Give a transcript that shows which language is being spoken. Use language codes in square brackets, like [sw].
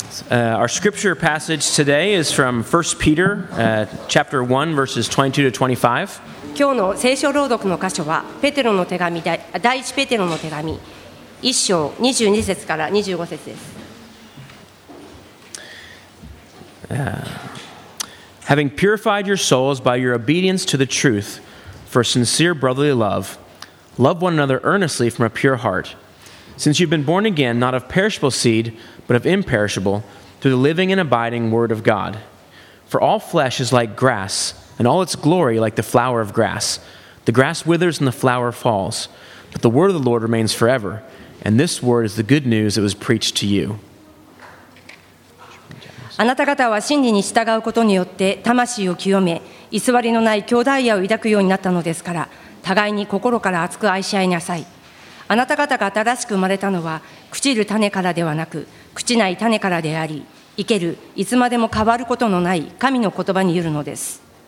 [en] Our scripture passage today is from 1 Peter chapter 1 verses 22 to 25. [ja] 今日の聖書朗読の箇所はペテロの手紙第一ペテロの手紙一章22節から25節です。 [en] Having purified your souls by your obedience to the truth for sincere brotherly love, love one another earnestly from a pure heart. Since you've been born again, not of perishable seed, but of imperishable, through the living and abiding word of God. For all flesh is like grass, and all its glory like the flower of grass. The grass withers and the flower falls, but the word of the Lord remains forever. And this word is the good news that was preached to you. [ja] あなた方は真理に従うことによって魂を清め、偽りのない兄弟愛を抱くようになったのですから、互いに心から厚く愛し合いなさい。あなた方が新しく生まれたのは、朽ちる種からではなく、朽ちない種からであり、生けるいつまでも変わることのない神の言葉によるのです。